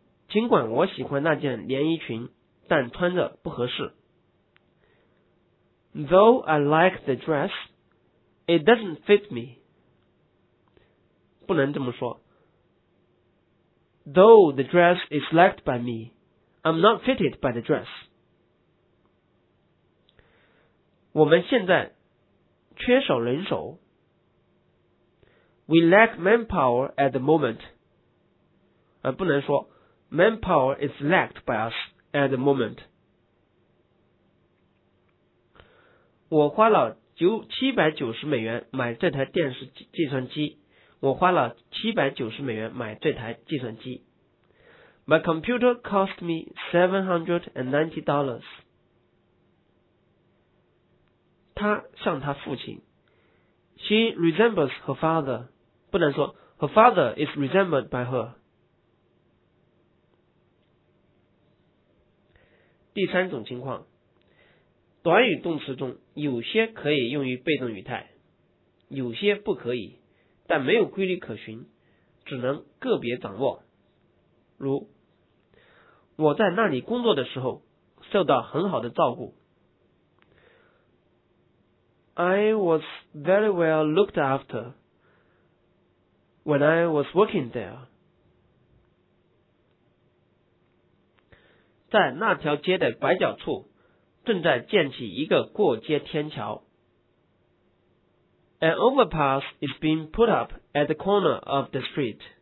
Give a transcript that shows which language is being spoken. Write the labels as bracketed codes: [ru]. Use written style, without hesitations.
[zh] 尽管我喜欢那件连衣裙，但穿着不合适。 [en] Though I like the dress, it doesn't fit me. [zh] 不能这么说。 [en] Though the dress is liked by me, I'm not fitted by the dress. [zh] 我们现在缺少人手。 [en] We lack manpower at the moment. [zh] 不能说 [en] manpower is lacked by us at the moment. [zh] 我花了790美元买这台电视计算机。我花了790美元买这台计算机。 [en] My computer cost me $790. [zh] 他向他父亲。 [en] She resembles her father. [zh] 不能说 [en] her father is resembled by her. [zh] 第三种情况，短语动词中有些可以用于被动语态，有些不可以。但没有规律可循，只能个别掌握。如，我在那里工作的时候，受到很好的照顾。 [en] I was very well looked after when I was working there. [zh] 在那条街的拐角处，正在建起一个过街天桥。 [en] An overpass is being put up at the corner of the street.